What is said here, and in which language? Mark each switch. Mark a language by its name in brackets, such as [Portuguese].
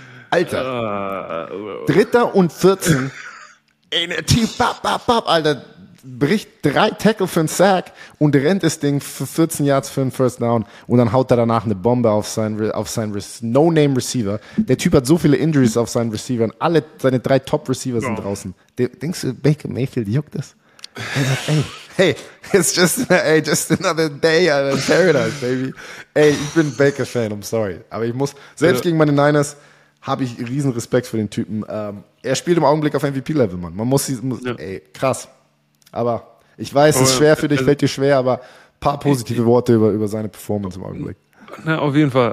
[German] Alter. Dritter und 14. In der Tief, Alter. Bricht drei Tackle für einen Sack und rennt das Ding für 14 Yards für einen First Down und dann haut er danach eine Bombe auf seinen No-Name Receiver. Der Typ hat so viele Injuries auf seinen Receiver und alle seine drei Top-Receiver sind draußen. Denkst du, Baker Mayfield juckt das? [English] Hey, it's just another day in paradise, baby. [German] Ey, ich bin Baker-Fan, [English] I'm sorry. [German] Aber ich muss, selbst gegen meine Niners habe ich riesen Respekt für den Typen. Er spielt im Augenblick auf MVP-Level, Mann. Man muss ey, krass. Aber ich weiß, es ist schwer für dich, fällt dir schwer, aber ein paar positive Worte über seine Performance im Augenblick. Na, auf jeden Fall.